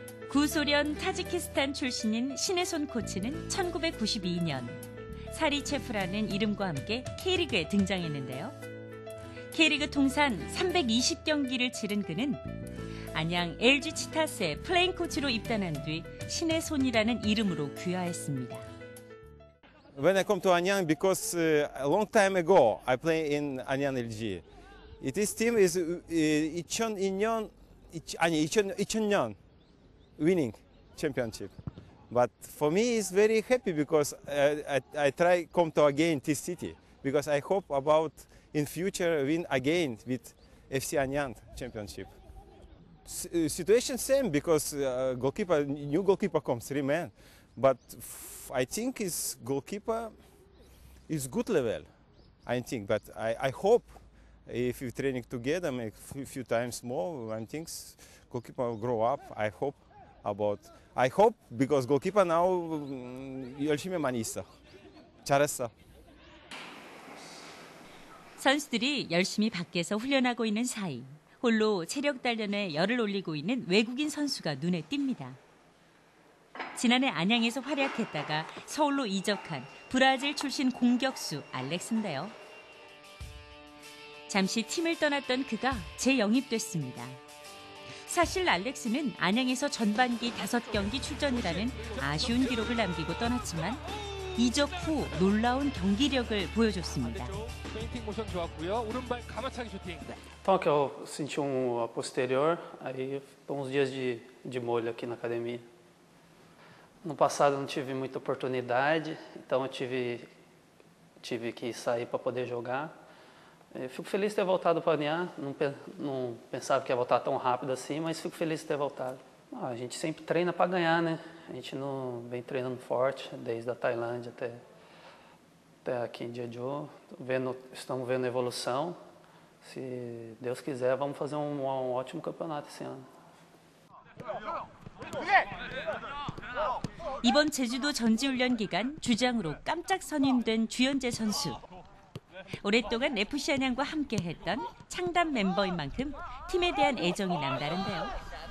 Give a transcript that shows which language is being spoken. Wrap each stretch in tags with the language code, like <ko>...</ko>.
<ko>구소련 타지키스탄 출신인 신의선 코치는 1992년 사리 체프라는 이름과 함께 K리그에 등장했는데요. K리그 통산 320경기를 치른 그는 안양 LG 치타스의 플레잉 코치로 입단한 뒤 신의선이라는 이름으로 귀화했습니다.</ko> <en>When I come to Anyang because a long time ago I play in Anyang LG. This team is</en> <ko>2002년 아니 2000년</ko> <en>winning championship. But for me it's very happy because I try come to again this city because I hope about in future win again with FC Anyang championship. Situation same because goalkeeper new goalkeeper comes three men. But I think his goalkeeper is good level, I think. But I hope if you training together make few times more, I think goalkeeper will grow up. I hope about. I hope because goalkeeper now</en> <ko>열심히 많이 있어. 잘했어. 선수들이 열심히 밖에서 훈련하고 있는 사이, 홀로 체력 단련에 열을 올리고 있는 외국인 선수가 눈에 띕니다. 지난해 안양에서 활약했다가 서울로 이적한 브라질 출신 공격수 알렉스인데요. 잠시 팀을 떠났던 그가 재영입됐습니다. 사실 알렉스는 안양에서 전반기 5경기 출전이라는 아쉬운 기록을 남기고 떠났지만 이적 후 놀라운 경기력을 보여줬습니다. 페인팅 모션 좋았고요. 오른발 가마차기 슈팅.</ko> <pt>Então que eu senti um posterior, aí foi uns dias de molho aqui na academia. No passado não tive muita oportunidade, então eu tive que sair para poder jogar. Fico feliz de ter voltado para a NIA, não pensava que ia voltar tão rápido assim, mas fico feliz de ter voltado. A gente sempre treina para ganhar, né? A gente não vem treinando forte desde a Tailândia até aqui em Jeju. Estamos vendo a evolução. Se Deus quiser, vamos fazer um ótimo campeonato esse ano.</pt> <ko>이번 제주도 전지훈련 기간 주장으로 깜짝 선임된 주현재 선수. 오랫동안 FC 안양과 함께했던 창단 멤버인 만큼 팀에 대한 애정이 남다른데요.</ko>